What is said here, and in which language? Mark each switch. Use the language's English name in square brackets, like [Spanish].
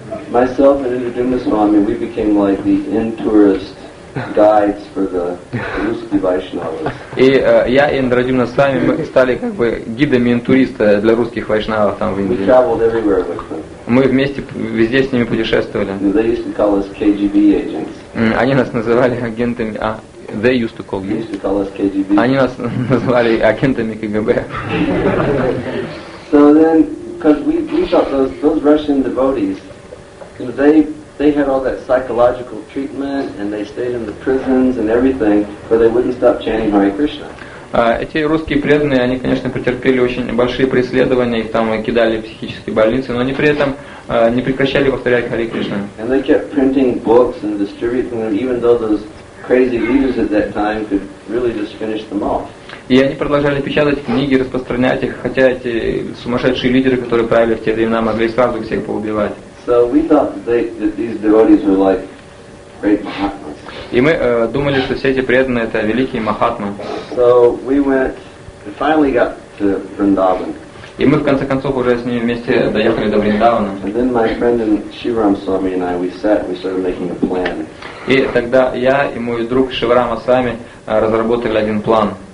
[English] Myself and Indradumna Swami, we became like the in-tourist guides for the Ruski Vaishnavas. [Russian] И я и Индрадюмна Свами мы стали как бы гидами интуриста для русских вайшнавов там в Индии. [English] We traveled everywhere with them. [Russian] Мы вместе везде с ними путешествовали. [English] They used to call us KGB agents. [Russian] Они нас называли агентами. [English] А they used to call you. They used to call us KGB. [Russian] Они нас называли агентами КГБ. [English] So then, because we thought those Russian devotees. You know, they had all that psychological treatment and they stayed in the prisons and everything, but they wouldn't stop chanting Hare Krishna. [Russian] Эти русские преданные, они, конечно, претерпели очень большие преследования, их там кидали в психические больницы, но они при этом не прекращали повторять Hare Krishna. [English] And they kept printing books and distributing them, even though those crazy leaders at that time could really just finish them off. [Russian] И они продолжали печатать книги, распространять их, хотя эти сумасшедшие лидеры, которые правили в те времена, могли сразу всех поубивать. [English] So we thought that these devotees were like great mahatmas. [Russian] И мы думали, что все эти преданные это великие махатмы. [English] So we went, we finally got to Vrindavan. [Russian] И мы в конце концов уже с ними вместе доехали до Вриндавана. [English] And then my friend and Shivaram Swami and I, we sat, we started making a plan. [Russian] И тогда я и мой друг Шиврама Свами разработали один план.